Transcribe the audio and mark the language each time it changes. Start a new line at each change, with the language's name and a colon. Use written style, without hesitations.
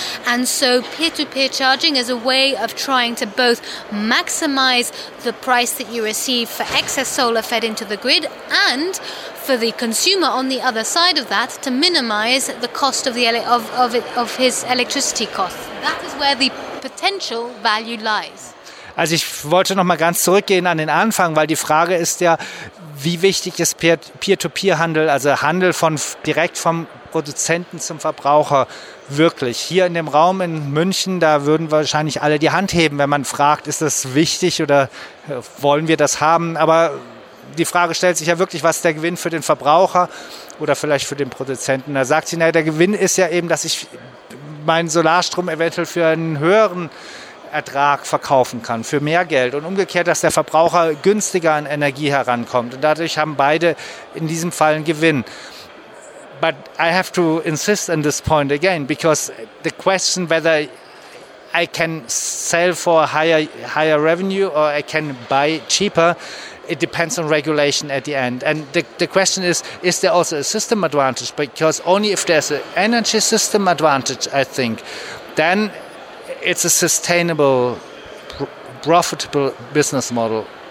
English: And so peer-to-peer charging is a way of trying to both maximize the price that you receive for excess solar fed into the grid, and for the consumer on the other side of that, to minimize the cost of his electricity costs. That is where the potential value lies.
German: Also ich wollte noch mal ganz zurückgehen an den Anfang, weil die Frage ist ja, Wie wichtig ist Peer-to-Peer-Handel, also Handel von direkt vom Produzenten zum Verbraucher wirklich? Hier in dem Raum in München, da würden wahrscheinlich alle die Hand heben, wenn man fragt, ist das wichtig oder wollen wir das haben? Aber die Frage stellt sich ja wirklich, was ist der Gewinn für den Verbraucher oder vielleicht für den Produzenten? Da sagt sie, naja, der Gewinn ist ja eben, dass ich meinen Solarstrom eventuell für einen höheren Ertrag verkaufen kann, für mehr Geld und umgekehrt, dass der Verbraucher günstiger an Energie herankommt und dadurch haben beide in diesem Fall einen Gewinn.
English: But I have to insist on this point again, because the question whether I can sell for higher revenue or I can buy cheaper, it depends on regulation at the end. And the question is there also a system advantage? Because only if there's an energy system advantage, I think, then it's a sustainable, profitable business model.